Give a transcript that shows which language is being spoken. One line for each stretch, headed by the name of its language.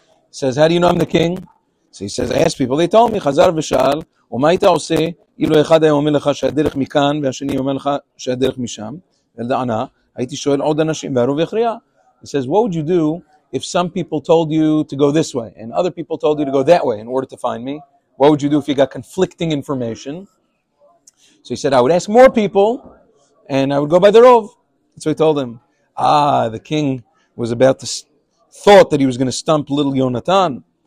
English: Says, how do you know I'm the king? So he says, I asked people. They told me.
Hebrew: Chazar v'shal, ומה היית עושה אילו אחד היה אומר לך שהדרך מכאן והשני אומר לך שהדרך משם? ולדענה, הייתי שואל עוד אנשים והרוב יכריע.
English: He says, what would you do if some people told you to go this way and other people told you to go that way in order to find me? What would you do if you got conflicting information? So he said, I would ask more people and I would go by the Rov. So he told him, the king was about to thought that he was going to stump little Yonatan.